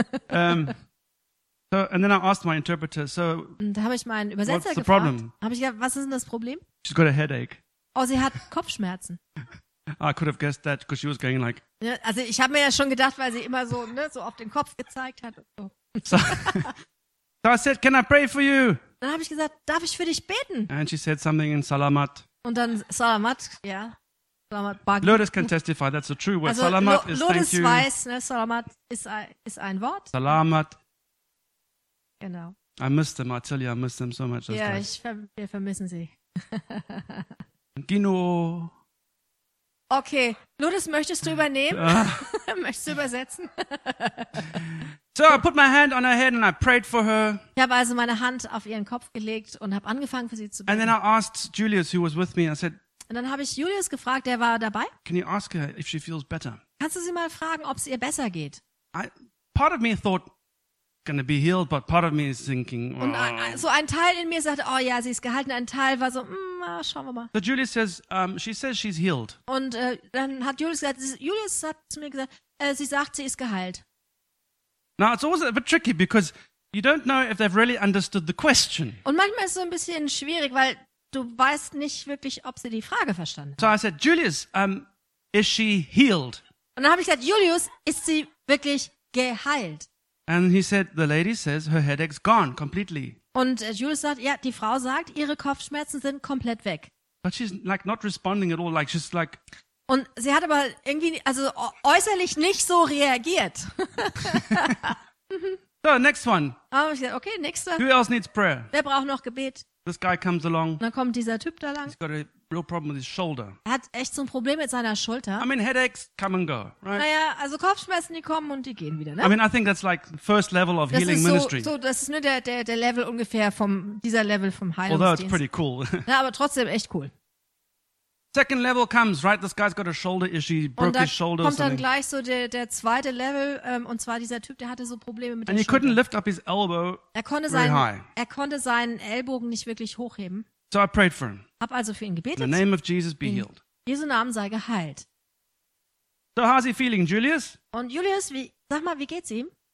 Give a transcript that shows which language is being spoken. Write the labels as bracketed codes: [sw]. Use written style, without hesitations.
[en] So, and then I asked my interpreter, so, [de] da habe ich meinen Übersetzer [en] what's the [de] gefragt. [en] Problem? [de] Hab ich gesagt, was ist denn das Problem? [en] She's got a headache. [de] Oh, sie hat Kopfschmerzen. [en] I could have guessed that, because she was going like. [de] Ja, also ich habe mir ja schon gedacht, weil sie immer so, ne, so auf den Kopf gezeigt hat. Und so. [en] So I said, can I pray for you? [de] Dann habe ich gesagt, darf ich für dich beten? [en] And she said something in Salamat. [de] Und dann Salamat, ja. Salamat Bagi. [en] Lourdes can testify, that's a true word. [de] Also, [en] Salamat is Lourdes thank you. [de] Lourdes weiß, ne, Salamat ist ein Wort. [tl] Salamat. [de] Genau. [en] I miss them, I tell you, I miss them so much. [de] Ja, wir vermissen sie. Gino. Okay, Lourdes, möchtest du übernehmen? Möchtest du übersetzen? [en] So I put my hand on her head and I prayed for her. [de] Ich habe also meine Hand auf ihren Kopf gelegt und habe angefangen für sie zu beten. [en] And then I asked Julius, who was with me, I said. [de] Und dann habe ich Julius gefragt, der war dabei. [en] Can you ask her if she feels better? [de] Kannst du sie mal fragen, ob es ihr besser geht? [en] Part of me thought gonna be healed, but part of me is thinking. Oh. [de] Und so ein Teil in mir sagt, oh ja, sie ist geheilt. Ein Teil war so, schauen wir mal. [en] So Julius says, she says she's healed. [de] Und dann hat Julius hat zu mir gesagt, sie sagt, sie ist geheilt. [en] Now it's always a bit tricky because you don't know if they've really understood the question. [de] Und manchmal ist es so ein bisschen schwierig, weil du weißt nicht wirklich, ob sie die Frage verstanden. [en] So I said, Julius, is she healed? [de] Und dann habe ich gesagt, Julius, ist sie wirklich geheilt? [en] And he said, the lady says her headache's gone completely. [de] Und Julius sagt, ja, die Frau sagt, ihre Kopfschmerzen sind komplett weg. [en] But she's like not responding at all, like she's like. [de] Und sie hat aber irgendwie, also äußerlich nicht so reagiert. [en] So, next one. [de] Aber ich dachte, okay, nächster. [en] Who else needs prayer? [de] Wer braucht noch Gebet? [en] This guy comes along. [de] Dann kommt dieser Typ da lang. [en] He's got a real problem with his shoulder. [de] Er hat echt so ein Problem mit seiner Schulter. [en] I mean, headaches come and go, right? [de] Naja, also Kopfschmerzen, die kommen und die gehen wieder, ne? [en] I mean, I think that's like first level of [de] das [en] healing [de] so, [en] ministry. [de] So, das ist nur der Level ungefähr vom, dieser Level vom Heilungsdienst. [en] Although it's pretty cool. [de] Ja, aber trotzdem echt cool. [en] Second level comes, right? This guy's got a shoulder issue, broke his shoulder. [de] Und da kommt dann gleich so der zweite Level, und zwar dieser Typ, der hatte so Probleme mit [en] and [de] der Schulter. [en] And he couldn't lift up his elbow very high. [de] Er konnte seinen Ellbogen nicht wirklich hochheben. [en] So I prayed for him. [de] Hab also für ihn gebetet. [en] In the name of Jesus be healed. [de] Jesu Namen sei geheilt. [en] So how's he feeling, Julius? [de] Und Julius, wie, sag mal, wie geht's ihm?